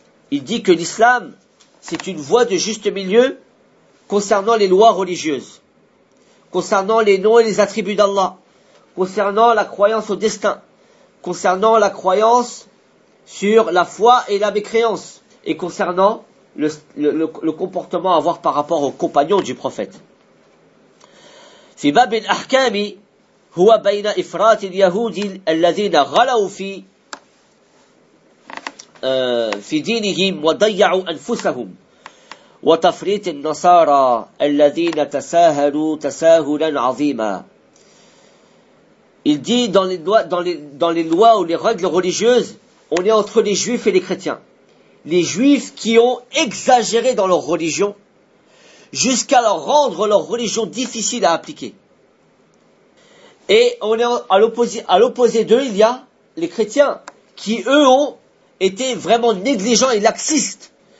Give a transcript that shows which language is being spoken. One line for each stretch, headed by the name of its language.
French: Il dit que l'islam, c'est une voie de juste milieu concernant les lois religieuses, concernant les noms et les attributs d'Allah, concernant la croyance au destin, concernant la croyance sur la foi et la mécréance, et concernant le comportement à avoir par rapport aux compagnons du prophète.
Arabic: في باب الأحكام هو بين إفراط اليهود الذين غلوا في دينهم وضيعوا أنفسهم وتفريط النصارى الذين تساهلوا تساهلا عظيما.
French: Il dit dans les lois ou les règles religieuses, on est entre les juifs et les chrétiens. Les juifs qui ont exagéré dans leur religion jusqu'à leur rendre leur religion difficile à appliquer. Et on est à l'opposé d'eux, il y a les chrétiens qui, eux, ont été vraiment négligents et laxistes.